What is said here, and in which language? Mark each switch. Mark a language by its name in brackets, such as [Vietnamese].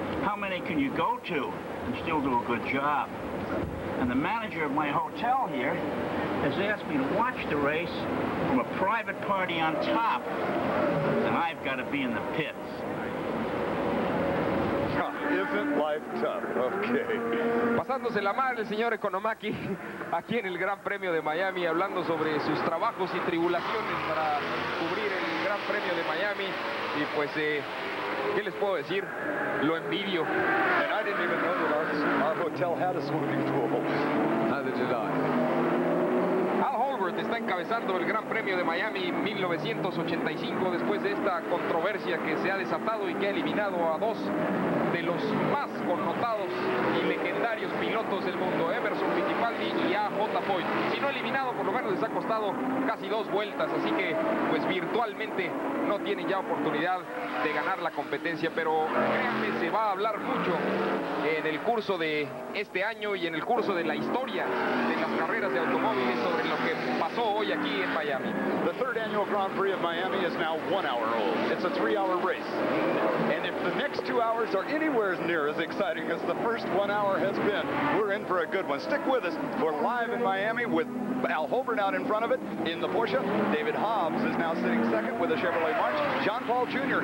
[English] How many can you go to and still do a good job? And the manager of my hotel here has asked me to watch the race from a private party on top, and I've got to be in the pits. Isn't life tough? Okay. [Spanish] Pasándose la mano el señor Economaki aquí en el Gran Premio de Miami, hablando sobre sus trabajos y tribulaciones para cubrir el Gran Premio de Miami. Y pues, ¿qué les puedo decir? Lo envidio. [English] And I didn't even know that our hotel had a swimming pool. Neither did I. [Spanish] Está encabezando el Gran Premio de Miami 1985 después de esta controversia que se ha desatado y que ha eliminado a dos de los más connotados y legendarios pilotos del mundo, Emerson Fittipaldi y A.J. Foyt. Si no eliminado, por lo menos les ha costado casi dos vueltas, así que pues virtualmente no tienen ya oportunidad de ganar la competencia, pero créanme, se va a hablar mucho en el curso de este año y en el curso de la historia de las carreras de automóviles sobre lo que pasó hoy aquí en Miami. [English] The third annual Grand Prix of Miami is now 1 hour old. It's a 3 hour race. And if the next 2 hours are anywhere near as exciting as the first 1 hour has been, we're in for a good one. Stick with us. We're live in Miami with Al Holbert out in front of it in the Porsche. David Hobbs is now sitting second with a Chevrolet March. John Paul Jr.